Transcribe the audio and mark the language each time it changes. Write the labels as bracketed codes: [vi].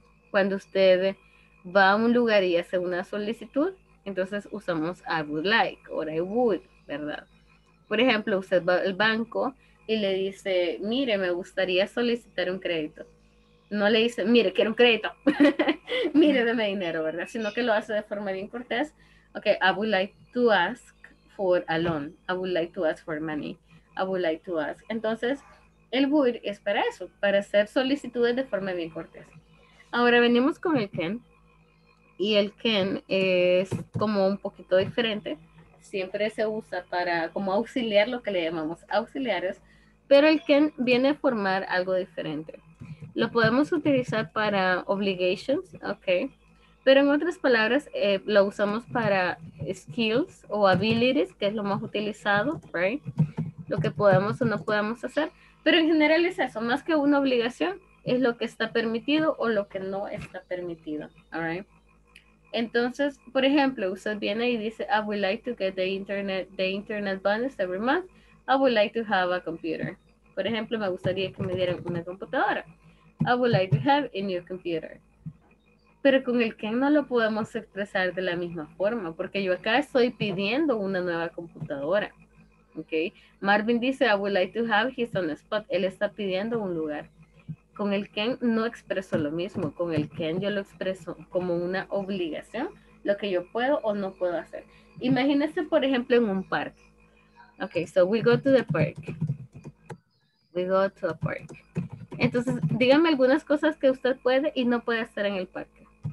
[es] Cuando usted va a un lugar y hace una solicitud, entonces usamos [en] I would like [es] o [en] I would, [es] ¿verdad? Por ejemplo, usted va al banco y le dice, mire, me gustaría solicitar un crédito. No le dice, mire, quiero un crédito. Mire, deme dinero, ¿verdad? Sino que lo hace de forma bien cortés. [en] Okay, I would like to ask for a loan, I would like to ask for money, I would like to ask. [es] Entonces, el would es para eso, para hacer solicitudes de forma bien cortés. Ahora venimos con el can, y el can es como un poquito diferente, siempre se usa para como auxiliar, lo que le llamamos auxiliares, pero el can viene a formar algo diferente. lo podemos utilizar para obligations, okay. Pero en otras palabras, lo usamos para skills o abilities, que es lo más utilizado, right? Lo que podemos o no podemos hacer. Pero en general es eso, más que una obligación, es lo que está permitido o lo que no está permitido, [en] all right? [es] Entonces, por ejemplo, usted viene y dice, [en] I would like to get the internet bonus every month. I would like to have a computer. [es] Por ejemplo, me gustaría que me dieran una computadora. [en] I would like to have a new computer. [es] Pero con el can no lo podemos expresar de la misma forma, porque yo acá estoy pidiendo una nueva computadora. [en] Okay. Marvin dice, I would like to have his own spot. [es] Él está pidiendo un lugar. Con el can no expreso lo mismo. Con el can yo lo expreso como una obligación, lo que yo puedo o no puedo hacer. Imagínese, por ejemplo, en un parque. [en] Okay, so we go to the park. We go to a park. [es] Entonces, dígame algunas cosas que usted puede y no puede hacer en el parque.